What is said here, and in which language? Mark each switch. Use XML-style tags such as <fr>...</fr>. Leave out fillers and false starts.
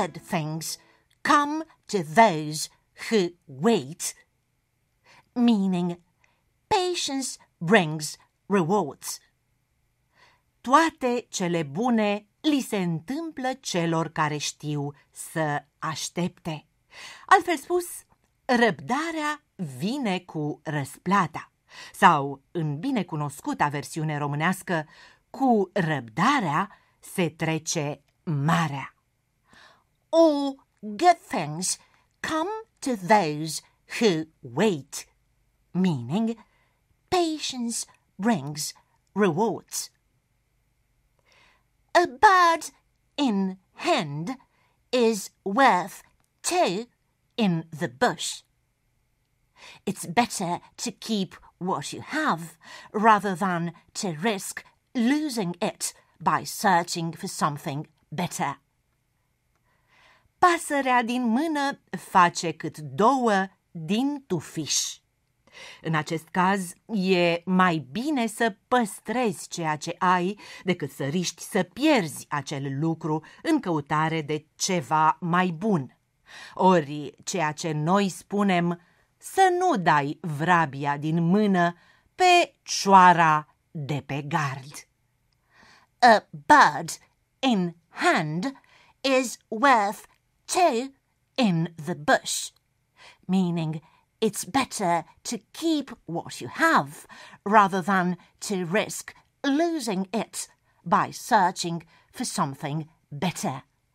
<en>Things come to those who wait, meaning patience brings rewards.</en> <ro>Toate cele bune li se întâmplă celor care știu să aștepte. Altfel spus, răbdarea vine cu răsplata. Sau, în binecunoscuta versiune românească, cu răbdarea se trece marea.</ro> <en>All good things come to those who wait, meaning patience brings rewards. A bird in hand is worth two in the bush. It's better to keep what you have rather than to risk losing it by searching for something better.</en> <ro>Pasărea din mână face cât două din tufiș. În acest caz, e mai bine să păstrezi ceea ce ai decât să riști să pierzi acel lucru în căutare de ceva mai bun. Ori, ceea ce noi spunem, să nu dai vrabia din mână pe cioara de pe gard.</ro> <en>A bird in hand is worth two in the bush, meaning it's better to keep what you have rather than to risk losing it by searching for something better.</en>